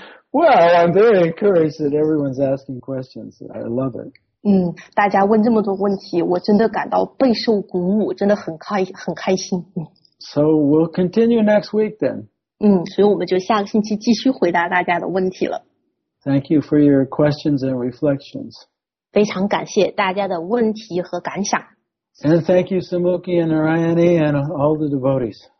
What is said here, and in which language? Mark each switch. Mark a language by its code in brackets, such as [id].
[en] Well, I'm very encouraged that everyone's asking questions. I love it. [zh] 嗯，大家问这么多问题，我真的感到备受鼓舞，真的很开心。 [en] So we'll continue next week then. [zh] 嗯，所以我们就下个星期继续回答大家的问题了。 [en] Thank you for your questions and reflections. [zh] 非常感谢大家的问题和感想。 [en] And thank you, Sumukhi and Narayani and all the devotees.